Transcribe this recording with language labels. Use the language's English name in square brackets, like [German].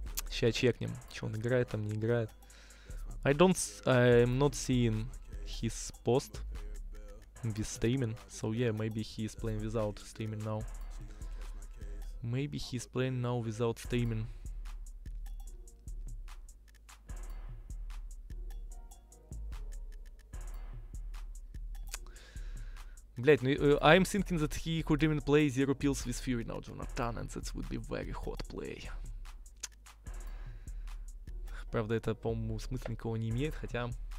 [Russian] Сейчас чекнем, что он играет, там не играет. [English] I'm not seeing his post with streaming, so yeah, maybe he is playing without streaming now. Maybe he is playing now without streaming. [Russian] Блять, ну, [English] I'm thinking that he could even play zero pills with Fury now, Jonathan, and that would be very hot play. [Russian] Правда, это, по-моему, смысла никого не имеет, хотя...